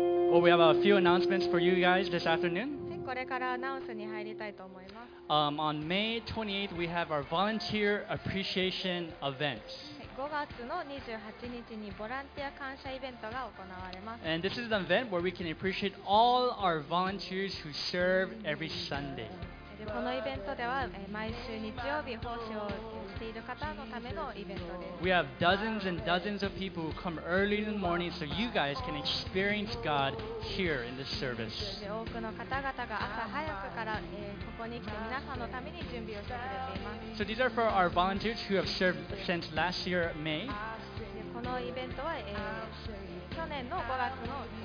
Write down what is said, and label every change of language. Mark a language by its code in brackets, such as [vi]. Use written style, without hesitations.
[en] Well, we have a few announcements for you guys this afternoon. [ja] これからアナウンスに入りたいと思います。 [en] On May 28th, we have our volunteer appreciation event. [ja] 5月の28日にボランティア感謝イベントが行われます。 [en] And this is an event where we can appreciate all our volunteers who serve every Sunday. [ja] このイベントでは毎週日曜日奉仕をしている方のためのイベントです。 [en] We have dozens and dozens of people who come early in the morning so you guys can experience God here in this service. [ja] 多くの方々が朝早くからここに来て皆さんのために準備をしてくれています。 [en] So these are for our volunteers who have served since last year May. [ja] このイベントは去年の5月の